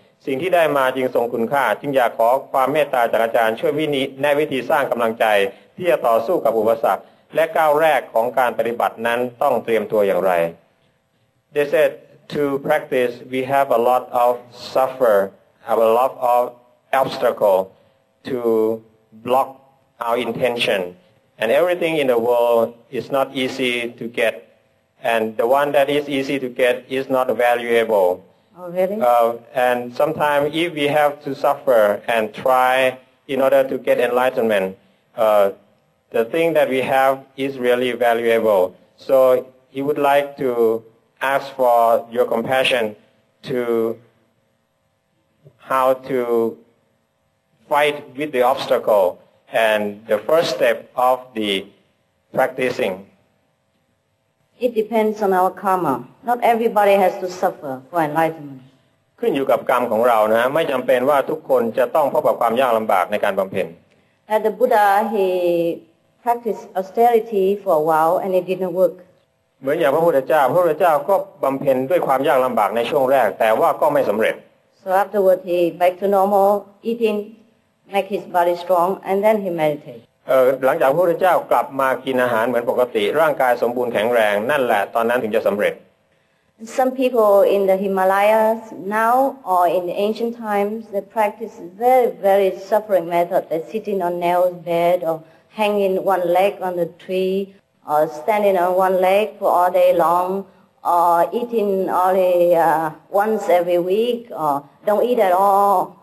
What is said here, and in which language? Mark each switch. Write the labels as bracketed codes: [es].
[th] สิ่งที่ได้มาจึงทรงคุณค่าจึงอยากขอความเมตตาจากอาจารย์ช่วยวินิจฉัยวิธีสร้างกำลังใจที่จะต่อสู้กับอุปสรรคและก้าวแรกของการปฏิบัตินั้นต้องเตรียมตัวอย่างไร [en] They said to practice we have a lot of suffer have a lot of obstacle to block our intentionAnd everything in the world is not easy to get. And the one that is easy to get is not valuable. Oh, really? And sometimes if we have to suffer and try in order to get enlightenment, the thing that we have is really valuable. So he would like to ask for your compassion to how to fight with the obstacle. And the first step of the practicing. It depends on our karma. Not everybody has to suffer for enlightenment. [th] ขึ้นอยู่กับกรรมของเรานะไม่จำเป็นว่าทุกคนจะต้องพบกับความยากลำบากในการบำเพ็ญ [en] The Buddha he practiced austerity for a while and it didn't work. [th] เหมือนอย่างพระพุทธเจ้าพระพุทธเจ้าก็บำเพ็ญด้วยความยากลำบากในช่วงแรกแต่ว่าก็ไม่สำเร็จ [en] So afterward he back to normal eating. Make his body strong, and then he meditate. [th] หลังจากพระพุทธเจ้ากลับมากินอาหารเหมือนปกติร่างกายสมบูรณ์แข็งแรงนั่นแหละตอนนั้นถึงจะสำเร็จ [en] Some people in the Himalayas now or in the ancient times they practice very very suffering method. They sitting on nail's bed or hanging one leg on the tree or standing on one leg for all day long or eating only once every week or don't eat at all.